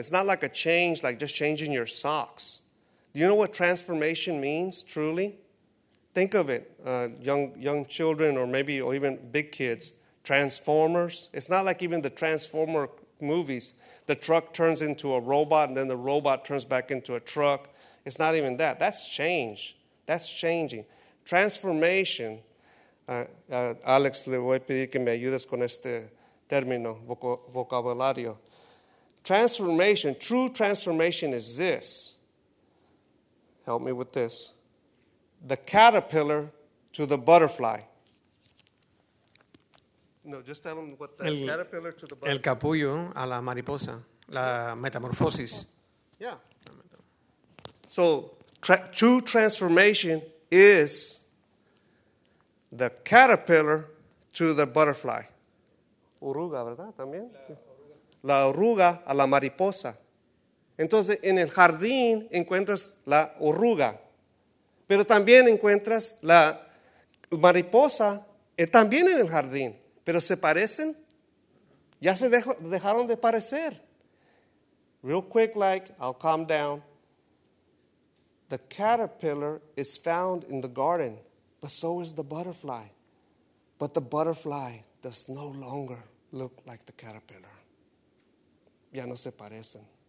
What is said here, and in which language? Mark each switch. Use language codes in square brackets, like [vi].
[en] It's not like a change, like just changing your socks. Do you know what transformation means, truly? Think of it, young children, or maybe or even big kids. Transformers. It's not like even the Transformer movies. The truck turns into a robot, and then the robot turns back into a truck. It's not even that. That's change. That's changing. Transformation. [es] Alex, le voy a pedir que me ayudes con este término, vocabulario. [en] Transformation, true transformation is this. Help me with this. The caterpillar to the butterfly. No, just tell him what the caterpillar to the butterfly. [es] El capullo a la mariposa, la metamorfosis. [en] Yeah. So, true transformation is... the caterpillar to the butterfly. [es] Oruga, ¿verdad? También. La oruga a la mariposa. Entonces, en el jardín encuentras la oruga. Pero también encuentras la mariposa también en el jardín. Pero se parecen. Ya se dejaron de parecer. [en] Real quick, like, I'll calm down. The caterpillar is found in the garden, but so is the butterfly. But the butterfly does no longer look like the caterpillar. [es] Ya no se parecen.